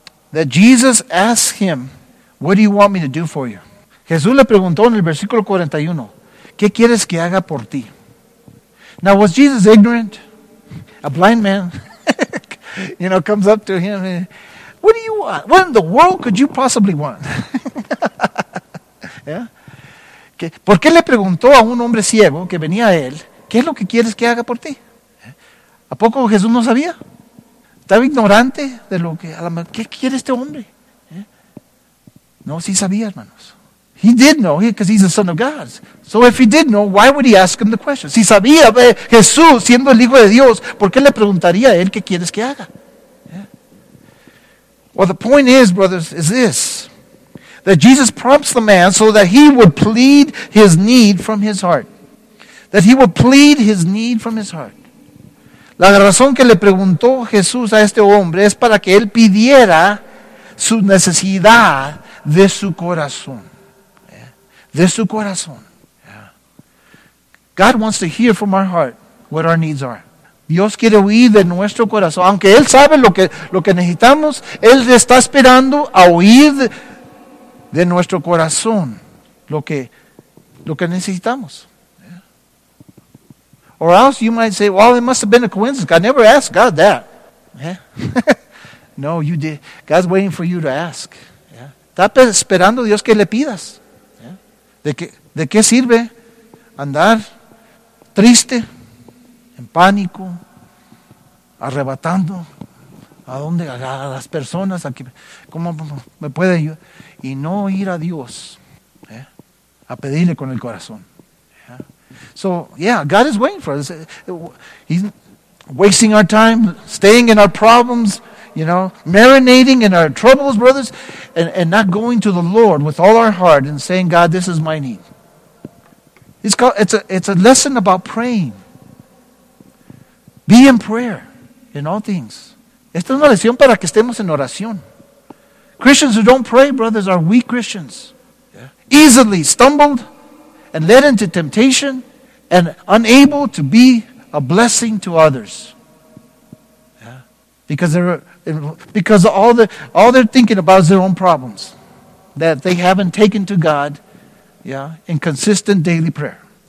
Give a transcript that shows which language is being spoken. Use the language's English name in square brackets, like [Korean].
[English] That Jesus asked him, what do you want me to do for you? [Spanish] Jesús le preguntó en el versículo 41, ¿qué quieres que haga por ti? [English] Now, was Jesus ignorant? A blind man, you know, comes up to him and, what do you want? What in the world could you possibly want? Yeah. [Spanish] ¿Por qué le preguntó a un hombre ciego que venía a él, qué es lo que quieres que haga por ti? ¿A poco Jesús no sabía? ¿Estaba ignorante de lo que, qué quiere este hombre? No, sí sabía, hermanos. [English] He did know, because he's the Son of God. So if he did know, why would he ask him the question? [Spanish] Si sabía, Jesús, siendo el Hijo de Dios, ¿por qué le preguntaría a él qué quieres que haga? [English] Well, the point is, brothers, is this, that Jesus prompts the man so that he would plead his need from his heart. That he would plead his need from his heart. [Spanish] La razón que le preguntó Jesús a este hombre es para que él pidiera su necesidad de su corazón. De su corazón. [English] God wants to hear from our heart what our needs are. [Spanish] Dios quiere oír de nuestro corazón. Aunque Él sabe lo que necesitamos, Él está esperando a oír de nuestro corazón lo que necesitamos. [English] Yeah. Or else you might say, well, it must have been a coincidence. I never asked God that. Yeah. No, you did. God's waiting for you to ask. Yeah. [Spanish] Está esperando Dios que le pidas. [English] Yeah. [Spanish] ¿De qué sirve andar triste, en pánico, arrebatando a dónde, a las personas, a que, cómo me puede ayudar? Y no ir a Dios, ¿eh?, a pedirle con el corazón. [English] Yeah. So, yeah, God is waiting for us. He's wasting our time, staying in our problems, you know, marinating in our troubles, brothers, and not going to the Lord with all our heart and saying, God, this is my need. It's a lesson about praying. Be in prayer in all things. [Spanish] Esta es una lección para que estemos en oración. [English] Christians who don't pray, brothers, are weak Christians. Yeah. Easily stumbled and led into temptation and unable to be a blessing to others. Yeah. Because all they're thinking about is their own problems that they haven't taken to God, yeah, in consistent daily prayer.